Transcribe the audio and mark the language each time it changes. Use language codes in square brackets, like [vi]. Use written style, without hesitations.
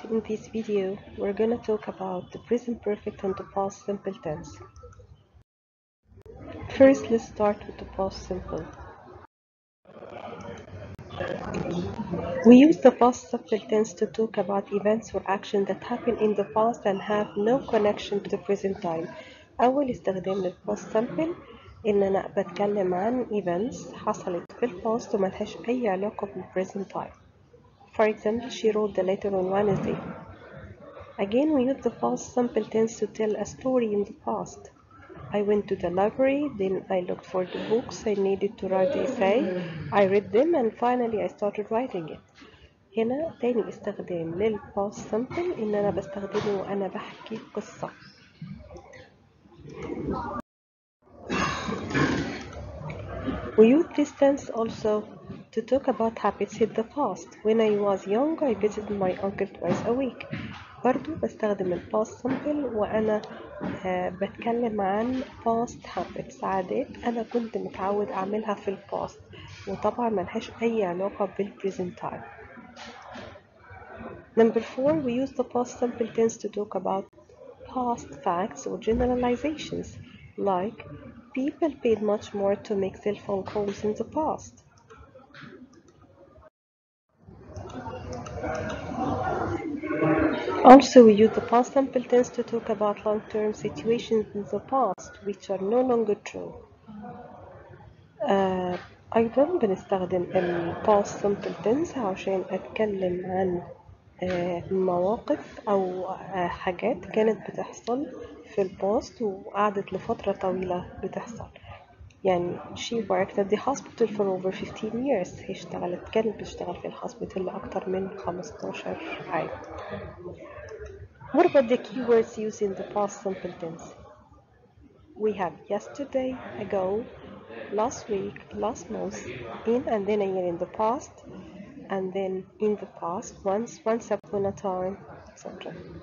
[en] In this video, we're going to talk about the present perfect and the past simple tense. First, let's start with the past simple. We use the past simple tense to talk about events or actions that happened in the past and have no connection to the present time. [ar] أول استخدام لل [en] past simple [ar] إن أنا بتكلم عن [en] events [ar] حصلت في الpast وما لهاش أي علاقة بال [en] present time. For example, she wrote the letter on Wednesday. Again, we use the past simple tense to tell a story in the past. I went to the library, then I looked for the books I needed to write the essay. I read them and finally I started writing it. [ar] هنا تاني استخدام لل [en] past simple [ar] إن أنا بستخدمه وأنا بحكي قصة. [en] We use this tense also to talk about habits in the past. When I was young, I visited my uncle twice a week. [ar] برضو بستخدم الـ [en] past simple [ar] وأنا بتكلم عن [en] past habits, [ar] عادات أنا كنت متعود أعملها في الـ past وطبعا ملهاش أي علاقة بالـ [en] present time. Number 4, we use the past simple tense to talk about past facts or generalizations like people paid much more to make cell phone calls in the past. Also, we use the past simple tense to talk about long-term situations in the past which are no longer true. [ar] أيضا بنستخدم الـ [en] past simple tense [ar] عشان أتكلم عن مواقف أو حاجات كانت بتحصل في الـ past وقعدت لفترة طويلة بتحصل. يعني [en] she worked at the hospital for over 15 years. [ar] هي اشتغلت كانت بتشتغل في الهوسبيتال لأكتر من 15 عام. [en] What about the keywords used in the past simple tense? We have yesterday, ago, last week, last month, in and then again in the past, and then in the past, once, once upon a time, etc.